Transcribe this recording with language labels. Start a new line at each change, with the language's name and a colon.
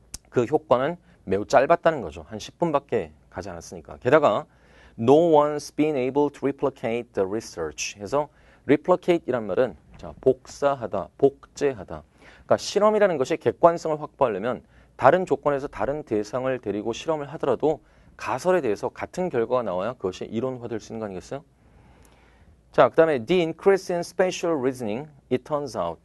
Korean: 그 효과는 매우 짧았다는 거죠. 한 10분밖에 가지 않았으니까. 게다가
English: no one's been able to replicate the research.
Korean: 해서 replicate이란 말은, 자, 복사하다, 복제하다. 그러니까 실험이라는 것이 객관성을 확보하려면 다른 조건에서 다른 대상을 데리고 실험을 하더라도 가설에 대해서 같은 결과가 나와야 그것이 이론화될 수 있는 거 아니겠어요? 자, 그 다음에
English: the increase in spatial reasoning, it turns out.